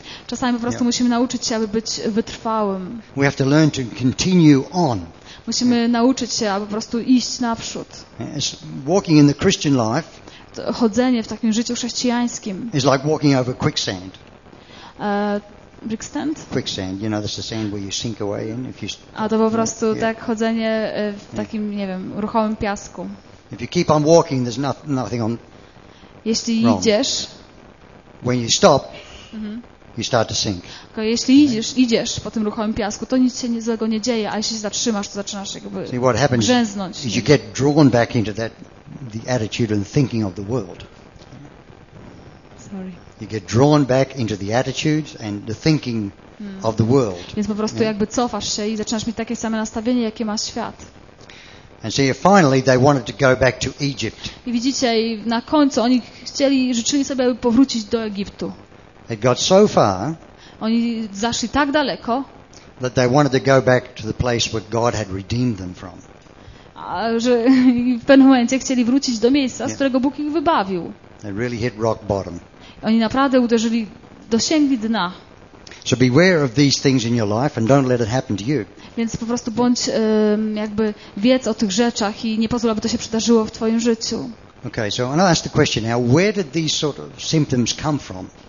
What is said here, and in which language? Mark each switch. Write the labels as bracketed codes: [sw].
[pl] Czasami po prostu musimy nauczyć się, aby być wytrwałym. [en] We have to learn to continue on. [pl] Musimy nauczyć się, aby po prostu iść naprzód. [en] Walking in the Christian life. [pl] Chodzenie w takim życiu chrześcijańskim. [en] Is like walking over quicksand. Quicksand? Quicksand, you know, that's the sand where you sink away in. [pl] A to po prostu tak chodzenie w takim, nie wiem, ruchomym piasku. [en] If you keep on walking, there's nothing on. [pl] Jeśli idziesz. [en] When you stop, you start to sink. [pl] Okay, jeśli idziesz po tym ruchomym piasku, to nic się złego nie dzieje, a jeśli się zatrzymasz, to zaczynasz jakby grzęznąć. [en] Is you get drawn back into that, the attitude and thinking of the world. Sorry. You get drawn back into the attitudes and the thinking of the world. [pl] Więc po prostu jakby cofasz się i zaczynasz mieć takie same nastawienie, jakie ma świat. [en] And so finally they wanted to go back to Egypt. [pl] I widzicie, na końcu oni chcieli, życzyli sobie, aby powrócić do Egiptu. [en] They got so far. [pl] Oni zaszli tak daleko. [en] That they wanted to go back to the place where God had redeemed them from. [pl] A że w pewnym momencie chcieli wrócić do miejsca, z którego Bóg ich wybawił. [en] They really hit rock bottom. [pl] Oni naprawdę uderzyli dosięgli dna. [en] So beware of these things in your life and don't let it happen to you. [pl] Więc po prostu bądź jakby wiedz o tych rzeczach i nie pozwól, aby to się przydarzyło w twoim życiu. [en] Okay, so I'll ask the question now, where did these sort of symptoms come from?